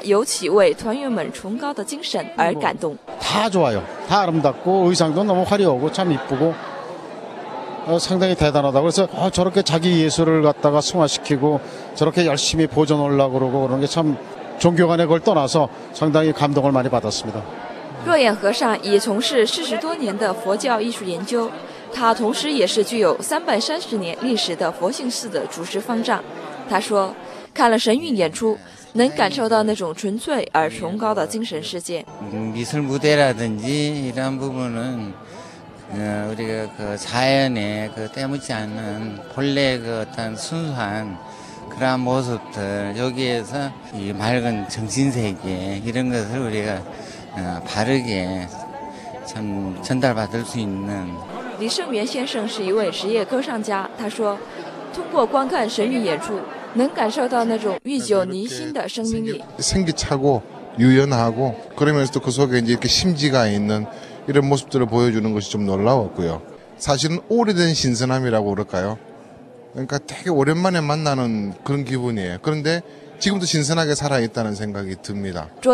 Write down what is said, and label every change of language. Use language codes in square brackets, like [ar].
[zh] 他说所有的节目都很好，他尤其为团员们崇高的精神而感动。 [ko] 다 좋아요. 다 아름답고 의상도 너무 화려하고 참 이쁘고 상당히 대단하다. 그래서 저렇게 자기 예술을 갖다가 승화시키고 저렇게 열심히 보존하려고 그러고 그런 게 참 종교관의 걸 떠나서 상당히 감동을 많이 받았습니다. [zh] 若眼和尚已从事40多年的佛教艺术研究，他同时也是具有330年历史的佛性寺的主持方丈。他说：“看了神韵演出，能感受到那种纯粹而崇高的精神世界。” [ko] 미술 무대라든지 이런 부분은 우리가 그 자연에 그 때묻지 않는 본래 그 어떤 순수한 그런 모습들, 여기에서 이 맑은 정신세계, 이런 것을 우리가 바르게 참 전달받을 수 있는. [zh] 李胜元先生是一位职业歌唱家，他说，通过观看神韵演出，能感受到那种历久弥新的生命力。 [ko] 생기차고 유연하고 그러면서도 그 속에 이제 이렇게 심지가 있는 이런 모습들을 보여주는 것이 좀 놀라웠고요. 사실은 오래된 신선함이라고 그럴까요? 그러니까 되게 오랜만에 만나는 그런 기분이에요. 그런데 지금도 신선하게 살아있다는 생각이 듭니다.